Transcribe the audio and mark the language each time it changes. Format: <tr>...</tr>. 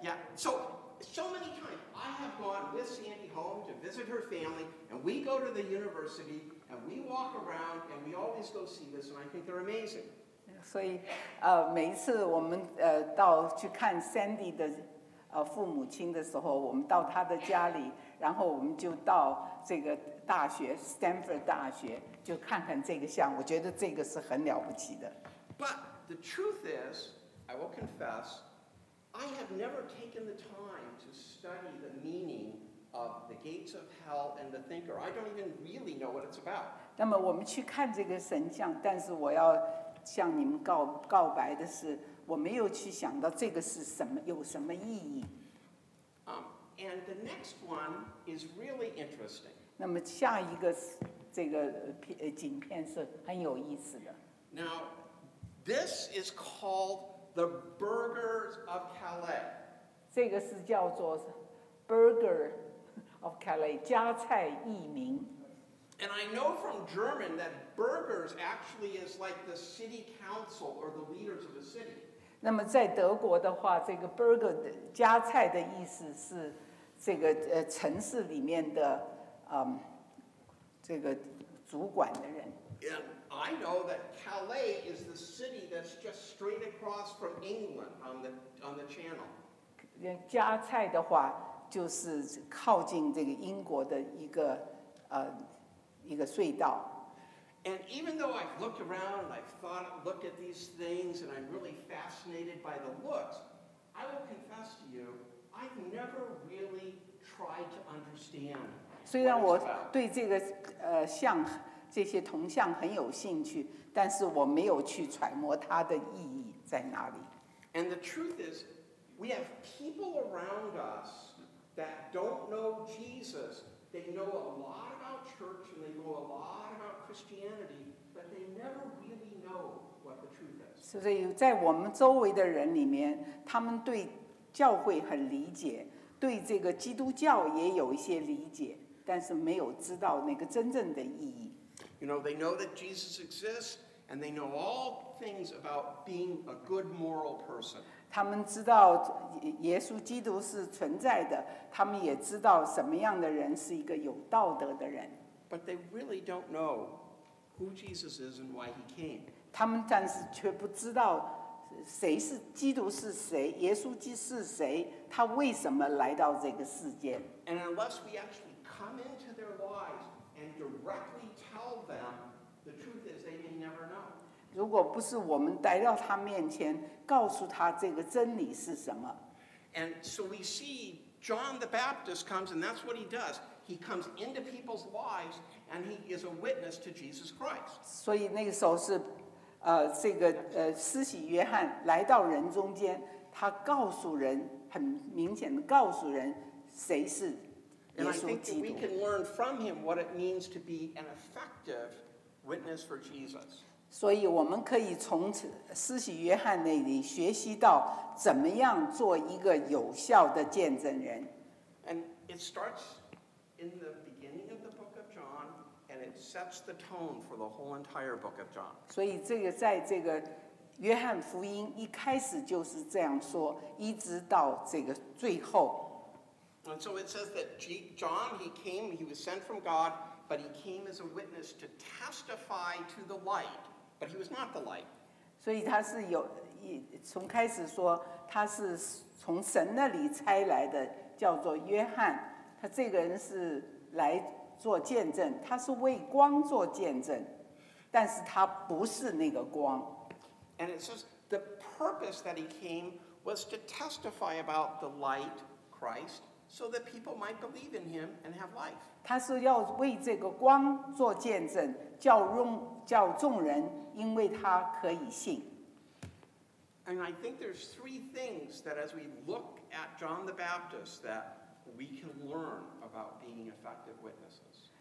<en>Yeah, so many times I have gone with Sandy home to visit her family, and we go to the university, and we walk around, and we always go see this, and I think they're amazing.</en> <zh>所以，每一次我们到去看 Sandy 的父母亲的时候，我们到他的家里，然后我们就到这个大学 Stanford 大学，就看看这个像，我觉得这个是很了不起的。</zh> <en>But the truth is. I will confess, I have never taken the time to study the meaning of the gates of hell and the thinker. I don't even really know what it's about.</en> <zh>那么我们去看这个神像，但是我要向你们告白的是，我没有去想到这个是什么，有什么意义。</zh> <en>And the next one is really interesting.</en> <zh>那么下一个这个景片是很有意思的。</zh> <en>Now, this is called. The Burgers of Calais.</en> <zh>这个是叫做 Burger of Calais, 加菜译名。</zh> <en>And I know from German that Burgers actually is like the city council or the leaders of the city.</en> <zh>那么在德国的话，这个 Burger 的加菜的意思是这个城市里面的这个主管的人。</zh> <en>And I know that Calais is the city that's just straight across from England on the channel.</en> <zh>加蔡的话就是靠近这个英国的一个一个隧道。</zh> <en>And even though I looked around and I thought, looked at these things and I'm really fascinated by the looks, I will confess to you, I've never really tried to understand.</en> <zh>虽然我对这个像这些铜像很有兴趣，但是我没有去揣摩它的意义在哪里。</zh> <en>And the truth is, we have people around us that don't know Jesus. They know a lot about church and they know a lot about Christianity, but they never really know what the truth is.</en> <zh>所以在我们周围的人里面，他们对教会很理解，对这个基督教也有一些理解，但是没有知道那个真正的意义。</zh> <en>You know, they know that Jesus exists, and they know all things about being a good moral person.</en> <zh>他们知道耶稣基督是存在的，他们也知道什么样的人是一个有道德的人。</zh> <en>But they really don't know who Jesus is and why he came.</en> <zh>他们但是却不知道谁是基督是谁，耶稣基督是谁，他为什么来到这个世间。</zh> <en>And unless we actually come into their lives and directly tell them, the truth is they may never know.</en> <zh>如果不是我们来到他面前告诉他这个真理是什么。</zh> <en>And so we see John the Baptist comes, and that's what he does. He comes into people's lives, and he is a witness to Jesus Christ.</en> <zh>所以那个时候是这个施洗约翰来到人中间，他告诉人，很明显的告诉人谁是耶稣基督。</zh> <en>And I think we can learn from him what it means to be an effective witness for Jesus.</en> <zh>所以我们可以从施洗约翰那里学习到怎么样做一个有效的见证人。</zh> <en>And it starts in the beginning of the book of John, and it sets the tone for the whole entire book of John.</en> <zh>所以这个在这个约翰福音一开始就是这样说，一直到这个最后。</zh> <en>And so it says that John, he came, he was sent from God, but he came as a witness to testify to the light. But he was not the light.</en> <zh>所以他是有从开始说他是从神那里差来的，叫做约翰。他这个人是来做见证，他是为光做见证，但是他不是那个光。</zh> <en>And it says the purpose that he came was to testify about the light, Christ, so that people might believe in him and have life.</en> <zh>他是要为这个光做见证，叫众人因为他可以信。</zh> <en>And I think there's three things that as we look at John the Baptist that we can learn about being effective witnesses.</en>